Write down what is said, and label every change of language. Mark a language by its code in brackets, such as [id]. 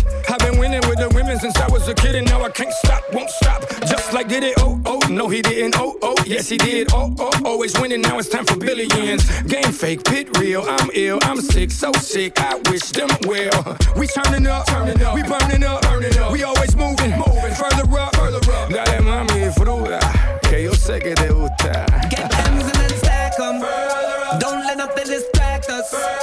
[en] I've been winning with the women since I was a kid, and now I can't stop, won't stop. Just like did it, oh oh, no he didn't, oh oh, yes he did, oh oh, always winning. Now it's time for billions. Game fake, pit real. I'm ill, I'm sick, so sick. I wish them well. We turning up, we burning up, burning up. We always moving, moving further up, further up. [es] Dale mami fruta, que yo sé que te gusta. [en] Get them and then stack 'em. Don't let nothing distract us.